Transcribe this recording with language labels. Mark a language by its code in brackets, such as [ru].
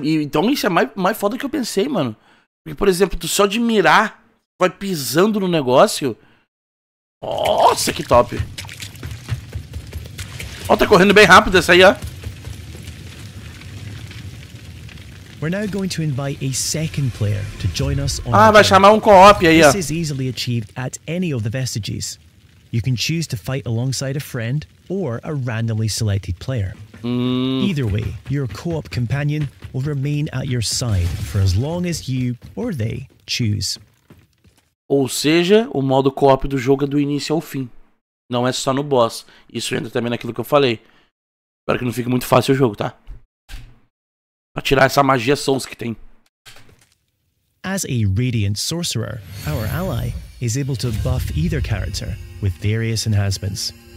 [pt] Então isso é mais foda do que eu pensei, mano. Porque, por exemplo, tu só de mirar vai pisando no negócio. Nossa, que top. Ó, tá correndo bem rápido essa aí, ó. [en] We're now going to invite a second player to join us on [pt] Ah, vai chamar um co-op aí, ó. [en] This is easily achieved at any of the vestiges. You can choose to fight alongside a friend or a randomly selected player. Either way, your co-op companion will remain at your side for as long as you or they choose. [pt] Ou seja, o modo co-op do jogo é do início ao fim. Não é só no boss. Isso entra também naquilo que eu falei. Espero que não fique muito fácil o jogo, tá? Pra tirar essa magia Souls que tem. [en] As a Radiant Sorcerer, our ally is able to buff either character with various enhancements.